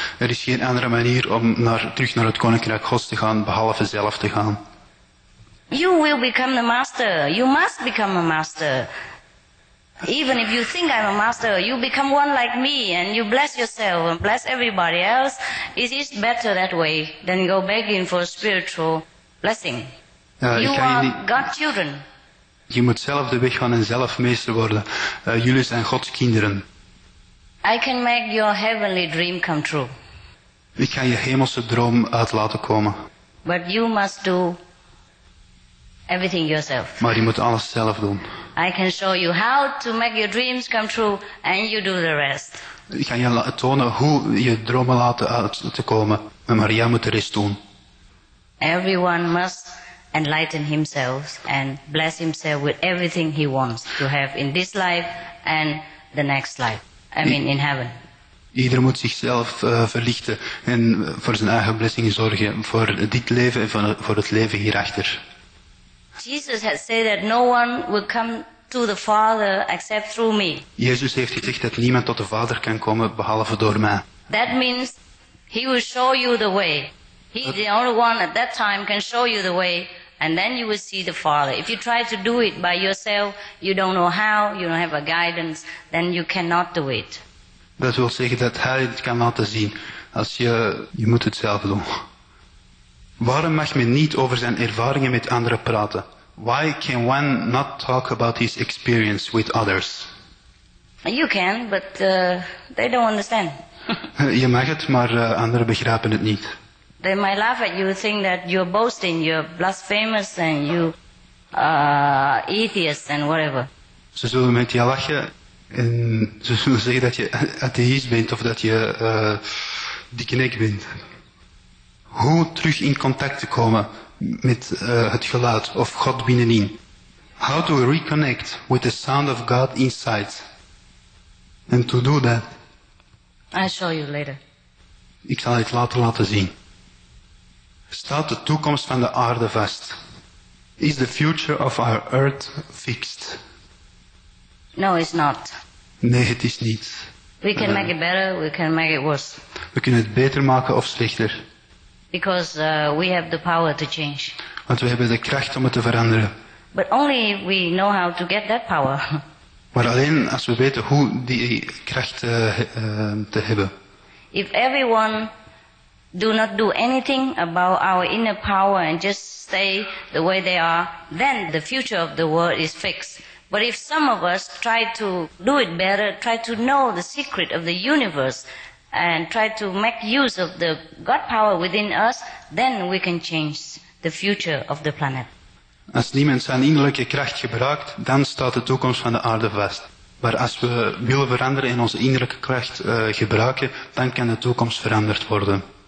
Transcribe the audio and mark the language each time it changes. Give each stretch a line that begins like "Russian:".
Dutch: Er is geen andere manier om terug naar het koninkrijk Gods te gaan behalve zelf te gaan.
English: You will become the master. You must become a master. Even if you think I'm a master, you become one like me and you bless yourself and bless everybody else. It is better that way than go begging for a spiritual blessing. God's children.
Dutch: Je moet zelf de weg gaan en zelf meester worden. Jullie zijn Gods kinderen.
English: I can make your heavenly dream come true.
Dutch: Ik kan je hemelse droom uit laten komen.
English: But you must do everything yourself.
Dutch: Maar je moet alles zelf doen.
English: I can show you how to make your dreams come true and you do the rest.
Dutch: Ik kan je tonen hoe je dromen laten uit te komen. Maar jij moet de rest doen.
English: Everyone must enlighten himself and bless himself with everything he wants to have in this life and the next life. In heaven.
Dutch: Ieder moet zichzelf verlichten en voor zijn eigen blessingen zorgen voor dit leven en voor het leven hierachter.
English: Jesus has said that no one will come to the Father except through me.
Dutch: Jezus heeft gezegd dat niemand tot de Vader kan komen behalve door mij.
English: That means he will show you the way. He's the only one at that time can show you the way, and then you will see the Father. If you try to do it by yourself, you don't know how, you don't have a guidance, then you cannot do it.
Dutch: Dat wil zeggen dat hij het kan laten zien. Als je moet het zelf doen. Waarom mag men niet over zijn ervaringen met anderen praten?
English: Why can one not talk about his experience with others? You can, but they don't understand.
Dutch: Je mag het, maar anderen begrijpen het niet.
English: They might laugh at you, think that you're boasting, you're blasphemous and you atheist and whatever.
Dutch: Ze zullen met je lachen en ze zullen zeggen dat je atheïst bent of dat je dikke nek bent. Hoe terug in contact te komen met het geluid of God binnenin?
English: How to reconnect with the sound of God inside? And to do that, I'll show you later.
Dutch: Ik zal het later laten zien. Staat de toekomst van de aarde vast?
English: Is the future of our earth fixed? No, it's not.
Dutch: Nee, het is niet.
English: We can make it better, we can make it worse.
Dutch: We kunnen het beter maken of slechter.
English: Because we have the power to change.
Dutch: Want we hebben de kracht om het te veranderen.
English: But only we know how to get that power.
Dutch: Maar alleen als we weten hoe die kracht te hebben.
English: If everyone do not do anything about our inner power and just stay the way they are, then the future of the world is fixed. But if some of us try to do it better, try to know the secret of the universe and try to make use of the God power within us, then we can change the future of the planet.
Dutch: Als niemand zijn innerlijke kracht gebruikt, dan staat de toekomst van de aarde vast. Maar als we willen veranderen en onze innerlijke kracht gebruiken, dan kan de toekomst veranderd worden.